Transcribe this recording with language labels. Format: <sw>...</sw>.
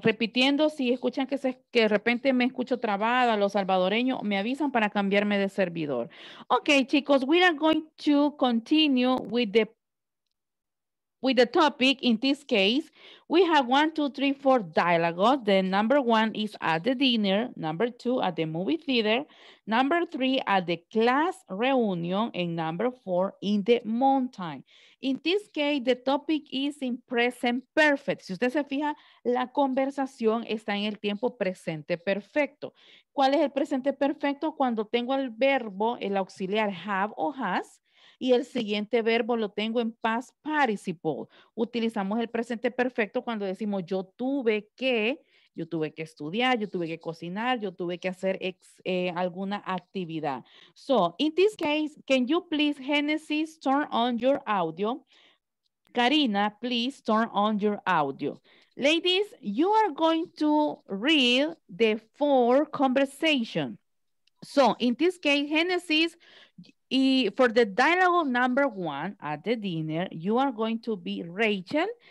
<es>Repitiendo, si escuchan que de repente me escucho trabada, los salvadoreños, me avisan para cambiarme de servidor.</es> <en>Okay, chicos, we are going to continue with the topic. In this case, we have 1, 2, 3, 4 dialogues. Then number 1 is at the dinner, number 2 at the movie theater, number 3 at the class reunion, and number 4 in the mountain. In this case, the topic is in present perfect.</en> <es>Si usted se fija, la conversación está en el tiempo presente perfecto. ¿Cuál es el presente perfecto? Cuando tengo el verbo, el auxiliar have o has, y el siguiente verbo lo tengo en past participle. Utilizamos el presente perfecto cuando decimos yo tuve que estudiar, yo tuve que cocinar, yo tuve que hacer alguna actividad.</es> <en>So, in this case, can you please, Genesis, turn on your audio? Karina, please turn on your audio. Ladies, you are going to read the 4 conversation. So, in this case, Genesis, for the dialogue number 1 at the dinner, you are going to be Rachel.</en>